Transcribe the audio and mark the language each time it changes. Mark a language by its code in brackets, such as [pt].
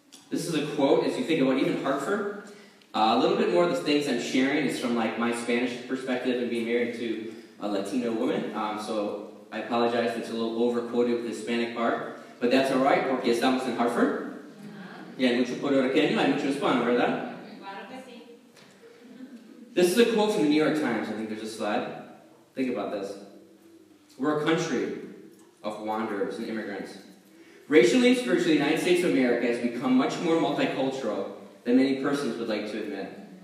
[en] This is a quote, as you think about even Hartford. A little bit more of the things I'm sharing is from like my Spanish perspective and being married to a Latino woman, so I apologize if it's a little overquoted with the Hispanic part, but that's all right, [es] porque estamos en Hartford. [en] Yeah, [es] mucho puertorriqueño, hay mucho hispano, ¿verdad? Claro que sí. [en] This is a quote from the New York Times, I think there's a slide. Think about this. We're a country of wanderers and immigrants. Racially and spiritually, the United States of America has become much more multicultural than many persons would like to admit.